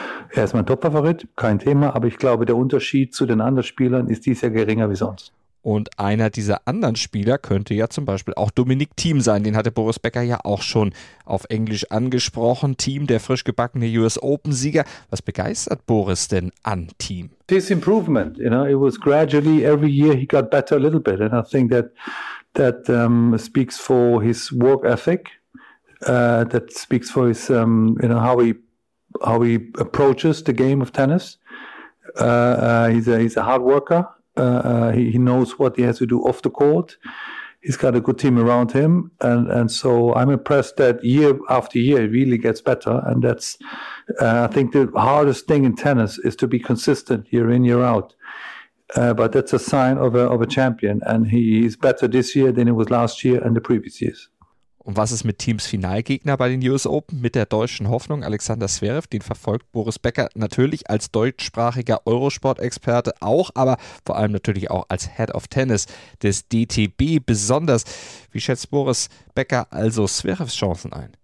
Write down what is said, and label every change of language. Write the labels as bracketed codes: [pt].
[de] Er ist mein Topfavorit, kein Thema, aber ich glaube, der Unterschied zu den anderen Spielern ist dieses Jahr geringer wie sonst. Und einer dieser anderen Spieler könnte ja zum Beispiel auch Dominic Thiem sein. Den hatte Boris Becker ja auch schon auf Englisch angesprochen. Thiem, der frisch gebackene US Open-Sieger. Was begeistert Boris denn an Thiem? [en] This improvement, you know, it was gradually, every year he got better a little bit. And I think that speaks for his work ethic. That speaks for his, you know, how he approaches the game of tennis. He's a hard worker. He knows what he has to do off the court. He's got a good team around him. And so I'm impressed that year after year, it really gets better. And that's, I think, the hardest thing in tennis is to be consistent year in, year out. But that's a sign of a champion. And he's better this year than he was last year and the previous years. [de] Und was ist mit Thiems Finalgegner bei den US Open? Mit der deutschen Hoffnung, Alexander Zverev, den verfolgt Boris Becker natürlich als deutschsprachiger Eurosport-Experte auch, aber vor allem natürlich auch als Head of Tennis des DTB besonders. Wie schätzt Boris Becker also Zverevs Chancen ein?